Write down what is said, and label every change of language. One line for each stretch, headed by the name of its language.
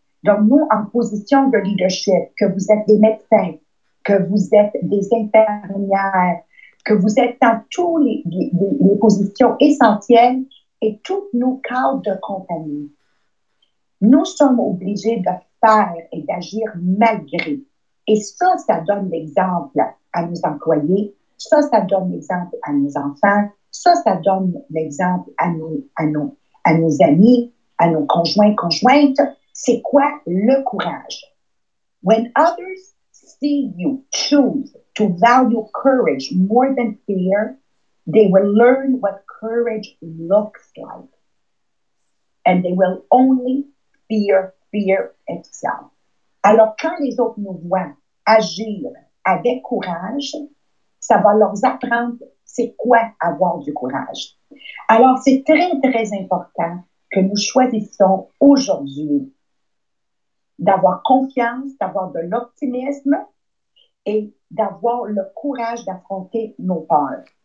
French: Donc, nous, en position de leadership, que vous êtes des médecins, que vous êtes des infirmières, que vous êtes dans toutes les positions essentielles et tous nos cadres de compagnie, nous sommes obligés de faire et d'agir malgré. Et ça, ça donne l'exemple à nos employés, ça, ça donne l'exemple à nos enfants, ça, ça donne l'exemple à nos amis, à nos conjoints, conjointes. C'est quoi le courage?
English: When others see you choose to value courage more than fear, they will learn what courage looks like. And they will only fear, fear itself.
French: Alors, quand les autres nous voient agir avec courage, ça va leur apprendre c'est quoi avoir du courage. Alors, c'est très, très important que nous choisissons aujourd'hui d'avoir confiance, d'avoir de l'optimisme et d'avoir le courage d'affronter nos peurs.